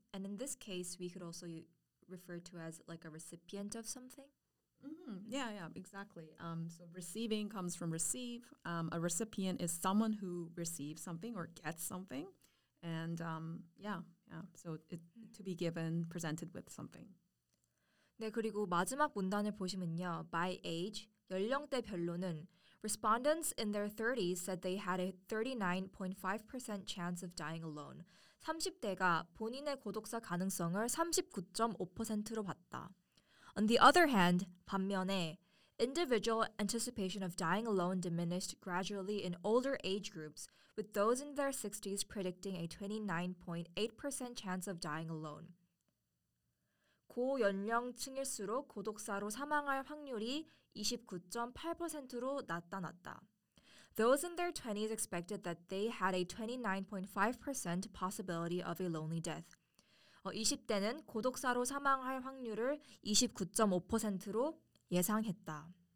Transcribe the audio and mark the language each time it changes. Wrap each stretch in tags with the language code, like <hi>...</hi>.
<en>And in this case, we could also refer to as like a recipient of something. Mm-hmm. Yeah, yeah, exactly. So receiving comes from receive. A recipient is someone who receives something or gets something. And so to be given, presented with something.</en> <ko>네, 그리고 마지막 문단을 보시면요.</ko> <en>By age,</en> <ko>연령대별로는</ko> <en>respondents in their 30s said they had a 39.5% chance of dying alone.</en> <ko>30대가 본인의 고독사 가능성을 39.5%로 봤다.</ko> <en>On the other hand,</en> <ko>반면에</ko> <en>individual anticipation of dying alone diminished gradually in older age groups, with those in their 60s predicting a 29.8% chance of dying alone.</en> <ko>고연령층일수록 고독사로 사망할 확률이 29.8%로 나타났다.</ko> <en>Those in their 20s expected that they had a 29.5% possibility of a lonely death.</en> <ko>20대는 고독사로 사망할 확률을 29.5%로 예상했다.</ko>